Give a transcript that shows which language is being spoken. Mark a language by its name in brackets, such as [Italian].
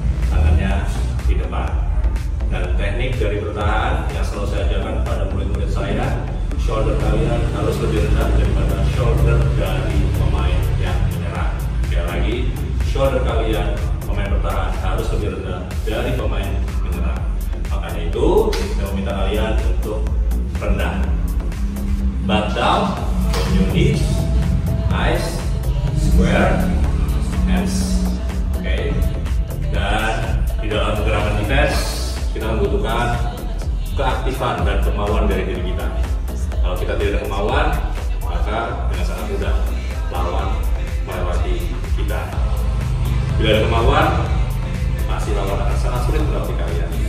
[Indonesian] Tangannya di depan. Dan teknik dari bertahan yang selalu saya ajarkan pada murid-murid saya, shoulder kalian harus lebih rendah daripada shoulder dari pemain yang menyerah. Sekali lagi, shoulder kalian pemain bertahan harus lebih rendah dari pemain menyerah. Makanya itu saya meminta kalian untuk rendah. [English] Butt down, on your knees, eyes square, hands, okay. [Indonesian] Dan di dalam gerakan defense kita membutuhkan keaktifan dan kemauan dari diri kita. Kalau kita tidak ada kemauan, maka dengan sangat mudah lawan melewati kita. Bila ada kemauan, pasti lawan akan sangat sulit melewati kalian.